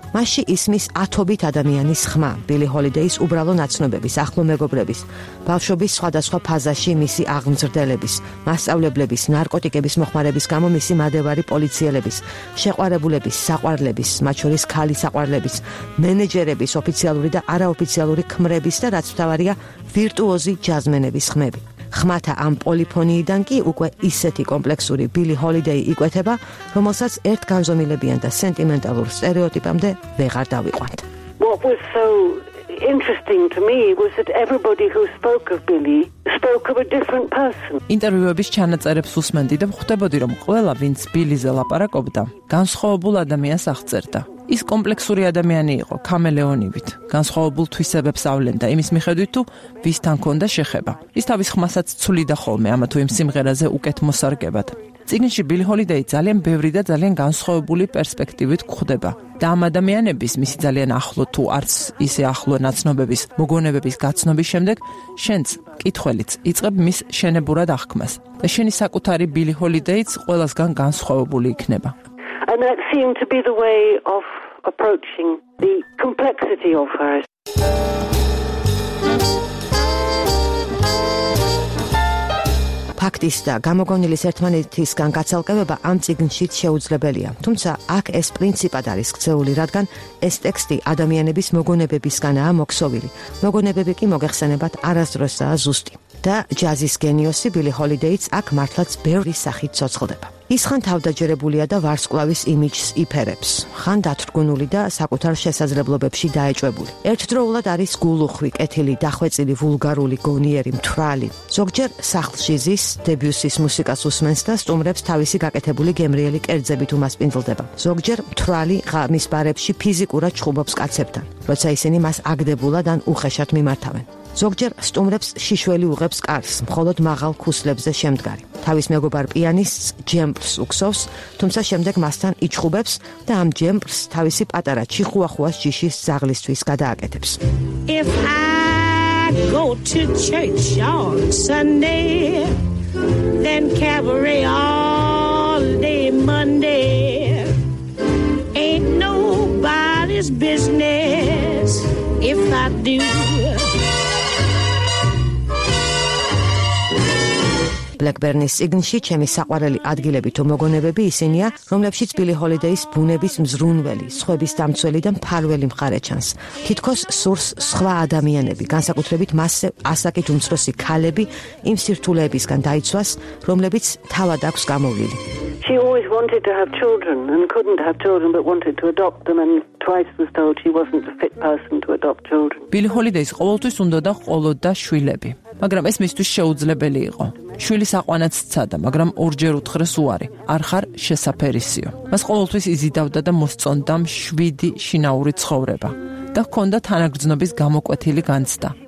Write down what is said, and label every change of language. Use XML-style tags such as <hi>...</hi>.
<ka>მასში ისმის ათობით ადამიანის ხმა, ბილი ჰოლიდეის უბრალო ნაცნობების, ახლო მეგობრების, ბავშვობის სხვადასხვა ფაზაში მისი აღმზრდელების, მასწავლებლების, ნარკოტიკების მოხმარების გამო მისი მადევარი პოლიციელების, შეყვარებულების, საყვარლების, მათ შორის ქალის საყვარლების, მენეჯერების ოფიციალური და არაოფიციალური ხმების და რაც თავარია ვირტუოზი ჯაზმენების ხმები. ხმათა ამ პოლიფონიიდან კი უკვე ისეთი კომპლექსური ბილი ჰოლიდეი იკვეთება, რომელსაც ერთ განზომილებიან და სენტიმენტალურ სტერეოტიპამდე ვეღარ დავიყვანთ.</ka> <en>What was so interesting to me was that everybody who spoke of Billy spoke of a different person.</en> <ka>ინტერვიუების ჩანაწერებს უსმენდი და ხვდებოდი, რომ ყველა, ვინც ბილიზე ლაპარაკობდა, განსხვავებულ ადამიანს აღწერდა. ის კომპლექსური ადამიანი იყო, ქამელეონივით. განსხვავებულ თვისებებს ავლენდა იმის მიხედვით, თუ ვისთან ჰქონდა შეხება. ის თავის ხმასაც ცვლიდა ხოლმე ამა თუ იმ სიმღერაზე უკეთ მოსარგებად. წიგნში ბილი ჰოლიდეი ძალიან ბევრი და ძალიან განსხვავებული პერსპექტივით გვხვდება. და ამ ადამიანების, მისი ძალიან ახლო თუ არც ისე ახლო ნაცნობების მოგონებების გაცნობის შემდეგ, შენც კითხველიც იწყებ მის შენებურად აღქმას. და შენი საკუთარი ბილი ჰოლიდეიც ყველასგან განსხვავებული იქნება.</ka> <en>And that seemed to be the way of approaching the complexity of her.</en> <ka>ფაქტის და გამოგონილის ერთმანეთისგან გაცალკევება ამ წიგნშიც შეუძლებელია. თუმცა აქ ეს პრინციპად არის ქცეული, რადგან ეს ტექსტი ადამიანების მოგონებებისგანაა მოქსოვილი. მოგონებები კი მოგეხსენებათ არასდროსაა ზუსტი. და ჯაზის გენიოსი ბილი ჰოლიდეიც აქ მართლაც ბევრი სახით ცოცხლდება. ის ხან თავდაჯერებულია და ვარსკვლავის იმიჯს იფერებს, ხან დათრგუნული და საკუთარ შესაძლებლობებში დაეჭვებული. ერთდროულად არის გულუხვი, კეთილი, დახვეწილი, ვულგარული, გონიერი, მთვრალი. ზოგჯერ სახლში ზის, დებიუსის მუსიკას უსმენს და სტუმრებს თავისი გაკეთებული გემრიელი კერძებით უმასპინძლდება. ზოგჯერ მთვრალი ღამის ბარებში ფიზიკურად ჩხუბობს კაცებთან, როცა ისინი მას აგდებულად ან უხეშად მიმართავენ. ზოგჯერ სტუმრებს შიშველი უღებს კარს, მხოლოდ მაღალ ქუსლებზე შემდგარი. თავის მეგობარ პიანისტს ჯემპს უქსოვს, თუმცა შემდეგ მასთან იჩხუბებს და ამ ჯემპს თავისი პატარა ჩიხუახუას ჯიშის ზაღლისთვის გადააკეთებს.</ka> <en>If I go to church on Sunday, then cabaret all day Monday. Ain't nobody's business if I do.</en> <ka>Blackburnის წიგნში ჩემი საყვარელი ადგილები თუ მოგონებები ისინია, რომლებშიც ბილი ჰოლიდეის ბუნების მზრუნველი, სხვების დამცველი და მფარველი მხარე ჩანს. თითქოს სურს სხვა ადამიანები, განსაკუთრებით მასზე ასაკით უმცროსი ქალები, იმ სირთულეებისგან დაიცვას, რომლებიც თავად აქვს გამოვლილი.</ka> <en>She always wanted to have children and couldn't have children but wanted to adopt them and twice was told she wasn't a fit person to adopt children.</en> <ka>ბილი ჰოლიდეის ყოველთვის უნდა და ყოლოდა შვილები, მაგრამ ეს მისთვის შეუძლებელი იყო. შვილის აყვანაც ცადა, მაგრამ ორჯერ უთხრეს უარი, არ ხარ შესაფერისიო. მას ყოველთვის იზიდავდა და მოსწონდა შვიდი შინაური ცხოვრება და ჰქონდა თანაგრძნობის გამოკვეთილი განცდა.</ka>